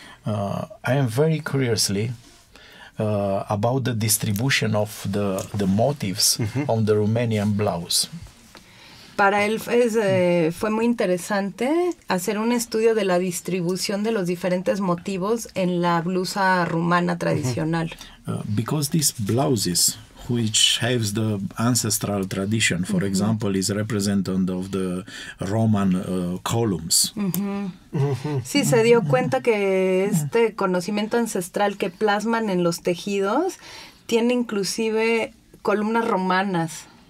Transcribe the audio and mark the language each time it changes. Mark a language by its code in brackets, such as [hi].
[en] I am very curiously about the distribution of the motifs on the Romanian blouse. [es] Para él fue muy interesante hacer un estudio de la distribución de los diferentes motivos en la blusa rumana tradicional. [en] Because these blouses, which have the ancestral tradition, for example, is represented of the Roman columns. [es] Sí, se dio cuenta que este conocimiento ancestral que plasman en los tejidos tiene inclusive columnas romanas.